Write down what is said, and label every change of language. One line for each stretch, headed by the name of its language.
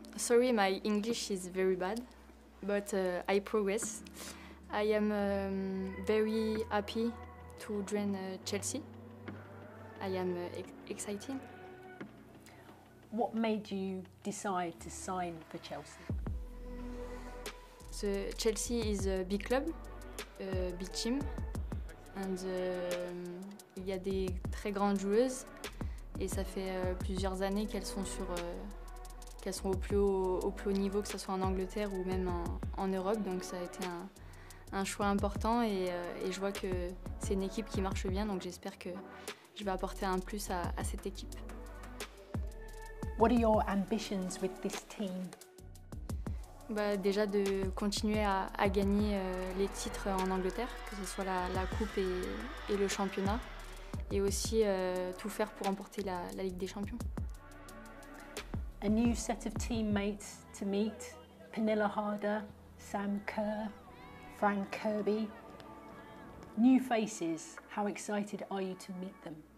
English: Sorry, my English is very bad, but I progress. I am very happy to join Chelsea. I am excited. What made you decide to sign for Chelsea? So Chelsea is a big club, a big team, and
French: il y a des très grandes joueuses et ça fait plusieurs années qu'elles sont sur qu'elles sont au plus haut niveau, que ce soit en Angleterre ou même en Europe. Donc ça a été un choix important et je vois que c'est une équipe qui marche bien, donc j'espère que je vais apporter un plus à cette équipe.
English: What are your ambitions with this team?
French: Bah, déjà de continuer à gagner les titres en Angleterre, que ce soit la coupe et le championnat, et aussi tout faire pour remporter la Ligue des Champions.
English: A new set of teammates to meet: Pernilla Harder, Sam Kerr, Fran Kirby. New faces. How excited are you to meet them?